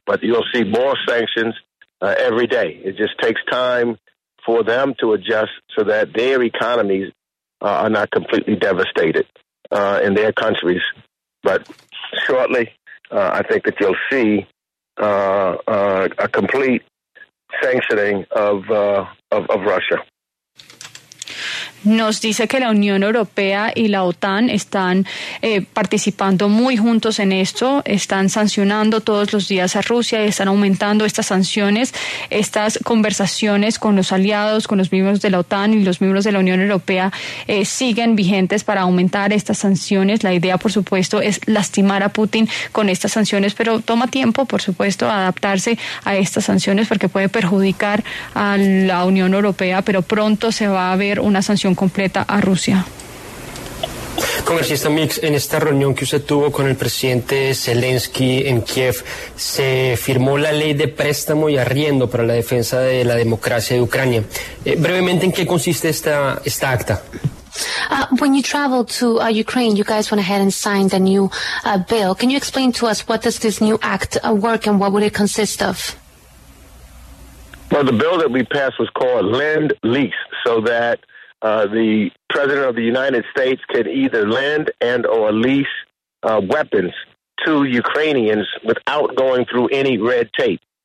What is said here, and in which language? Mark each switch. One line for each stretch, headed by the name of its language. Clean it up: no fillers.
English: But you'll see more sanctions every day. It just takes time for them to adjust so that their economies are not completely devastated in their countries. But shortly, I think that you'll see a complete sanctioning of Russia.
Spanish: Nos dice que la Unión Europea y la OTAN están participando muy juntos en esto, están sancionando todos los días a Rusia y están aumentando estas sanciones. Estas conversaciones con los aliados, con los miembros de la OTAN y los miembros de la Unión Europea siguen vigentes para aumentar estas sanciones. La idea, por supuesto, es lastimar a Putin con estas sanciones, pero toma tiempo, por supuesto, adaptarse a estas sanciones porque puede perjudicar a la Unión Europea, pero pronto se va a ver una sanción completa a Rusia. Congresista Meeks, en esta reunión que usted tuvo con el presidente Zelensky en Kiev, se firmó la ley de préstamo y arriendo para la defensa de la democracia de Ucrania. Brevemente, ¿en qué consiste esta acta?
English: When you traveled to Ukraine, you guys went ahead and signed a new bill. Can you explain to us what does this new act work and what would it consist of? Well, the bill that we passed was called Lend Lease, so that the President of the United States can either lend and or lease weapons to Ukrainians without going through any red tape.